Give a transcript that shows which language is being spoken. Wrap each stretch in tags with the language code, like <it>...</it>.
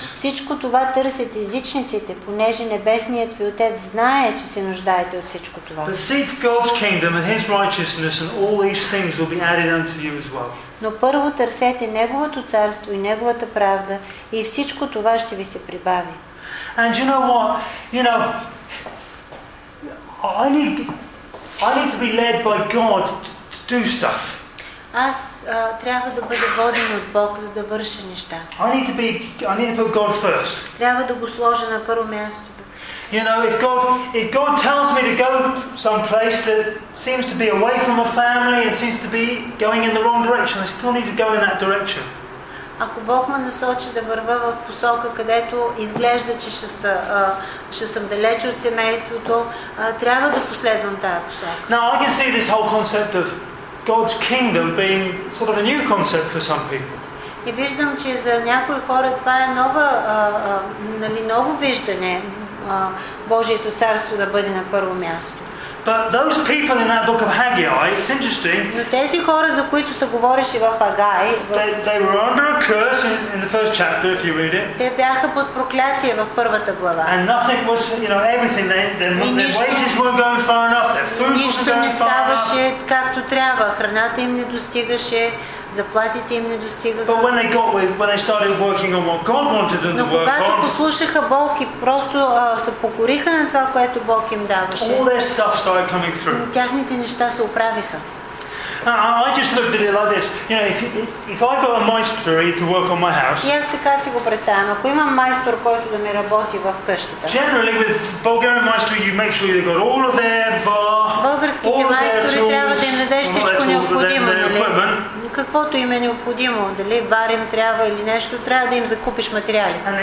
<bg>всичко това търсят езичниците, понеже небесният ви Отец знае, че се нуждаете от всичко това.</bg> <en>Seek God's kingdom and his righteousness and all these things will be added unto you as well.</en> <bg>Но първо търсете Неговото царство и Неговата правда и всичко това ще ви се прибави.</bg> <en>And you know what? You know, I need to be led by God to do stuff.</en> <bg>Аз трябва да бъда воден от Бог, за да върша неща.</bg> <en>I need to put God first.</en> <bg>Трябва да го сложа на първо място.</bg> <en>You know, if God tells me to go some place that seems to be away from my family and seems to be going in the wrong direction, I still need to go in that direction.</en> <bg>Ако Бог ме насочи да вървя в посока, където изглежда, че ще съм далеч от семейството, трябва да последвам тая посока.</bg> <en>Now I can see this whole concept of God's kingdom being sort of a new concept for some people.</en> <bg>И виждам, че за някои хора това е нова, нали, ново виждане. Божието царство да бъде на първо място.</bg> <en>But those people in that book of Haggai, it's interesting.</en> <bg>Но тези хора, за които се говореше в Агай,</bg> <en>they were under a curse in the first chapter, if you read it.</en> <bg>Те бяха под проклятие в първата глава.</bg> <en>And nothing was, you know, everything their wages weren't going far enough. Their food wasn't going far enough.</en> <bg>Нищо не ставаше както трябва. Храната им не достигаше. Заплатите им не достигаха.</bg> <en>But when they started working on what God wanted them to work on.</en> <bg>Но когато послушаха Бог и просто се покориха на това, което Бог им даваше.</bg> <en>All their stuff started coming through.</en> <bg>Тяхните неща се оправиха.</bg> <en>I just looked at it like this. You know, if I got a maestro to work on my house.</en> <bg>И аз така си го представям. Ако имам майстор, който да ми работи в къщата.</bg> <en>Generally with Bulgarian maestro, you make sure they got all of their</en> <bg>българските майстори трябва да им дадеш всичко необходимо, нали? Каквото им е необходимо, дали варим трябва или нещо, трябва да им закупиш материали.</bg>